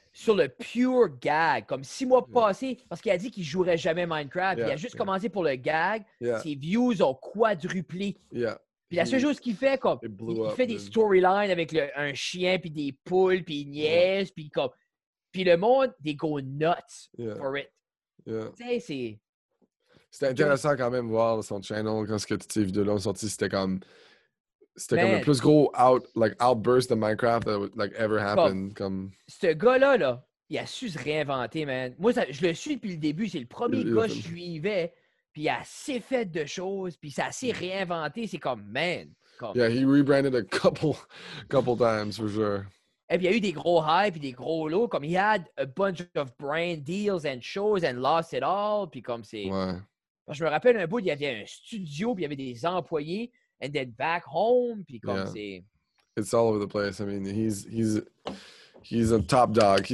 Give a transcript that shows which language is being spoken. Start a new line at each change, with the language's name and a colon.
French: Sur le pure gag, comme 6 mois passés, parce qu'il a dit qu'il jouerait jamais Minecraft. Il a juste commencé pour le gag.
English: Yeah.
French: Ses views ont quadruplé.
English: Yeah.
French: Puis la seule chose qu'il fait, comme, il fait des storylines avec un chien, puis des poules, puis une nièce, puis comme... Puis le monde,
English: they go nuts for it. Yeah.
French: Tu sais, c'est... C'était intéressant quand même voir son channel quand ce que toutes ces vidéos-là ont sorti. C'était comme... C'était comme le plus gros outburst de Minecraft
English: that would, like, ever happened.
French: Ce gars-là, là, il a su se réinventer, man. Moi, ça, je le suis depuis le début. C'est le premier gars que je suivais. Puis il a assez fait de choses. Puis ça s'est réinventé. C'est comme, man. Comme...
English: Yeah, he rebranded a couple times, for sure.
French: Et puis, il y a eu des gros highs et des gros lows.
English: Comme, he had a bunch of brand deals and shows and lost it all.
French: Puis, comme, c'est... Ouais. Je me rappelle un bout, il y avait un studio, puis il y avait des employés,
English: and then back home,
French: puis comme, c'est...
English: It's all over the place. I mean, he's a top dog.